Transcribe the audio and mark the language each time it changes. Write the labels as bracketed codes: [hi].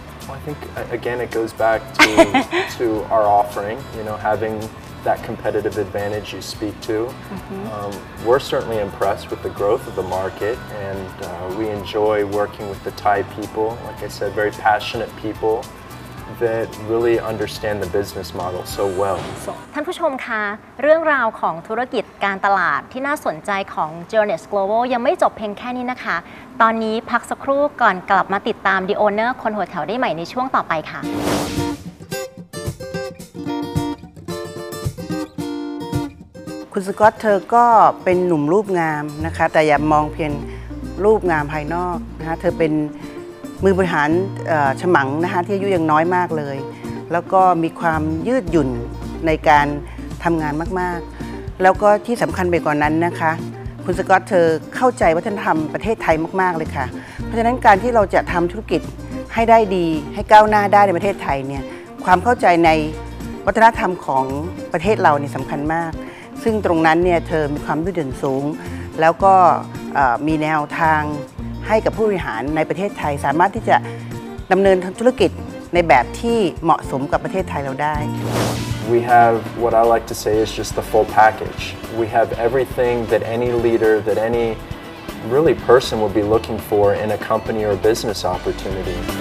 [en] Well, I think, again, it goes back to, to our offering, you know, having that competitive advantage you speak to. We're certainly impressed with the growth of the market, and we enjoy working with the Thai people. Like I said, very passionate people that really understand the business model so well. [th] ท่านผู้ชมคะเรื่องราวของธุรกิจการตลาดที่น่าสนใจของ Jeunesse Global ยังไม่จบเพียงแค่นี้นะคะตอนนี้พักสักครู่ก่อนกลับมาติดตาม The Owner คนหัวแถวได้ใหม่ในช่วงต่อไปค่ะ คุณสกอตเธอก็เป็นหนุ่มรูปงามนะคะแต่อย่ามองเพียงรูปงามภายนอกนะคะเธอเป็นมือบริหารฉมังนะคะที่อายุยังน้อยมากเลยแล้วก็มีความยืดหยุ่นในการท ทำงานมากๆแล้วก็ที่สำคัญไปกว่านั้นนะคะคุณสกอตเธอเข้าใจวัฒนธรรมประเทศไทยมากๆเลยค่ะเพราะฉะนั้นการที่เราจะทำธุรกิจให้ได้ดีให้ก้าวหน้าได้ในประเทศไทยเนี่ยความเข้าใจในวัฒนธรรมของประเทศเราเนี่ยสำคัญมากซึ่งตรงนั้นเนี่ยเธอมีความยืดหยุ่นสูงแล้วก็มีแนวทางให้กับผู้บริหารในประเทศไทยสามารถที่จะดำเนินธุรกิจในแบบที่เหมาะสมกับประเทศไทยเราได้ [en] We have what I like to say is just the full package. We have everything that any leader, that any really person would be looking for in a company or business opportunity.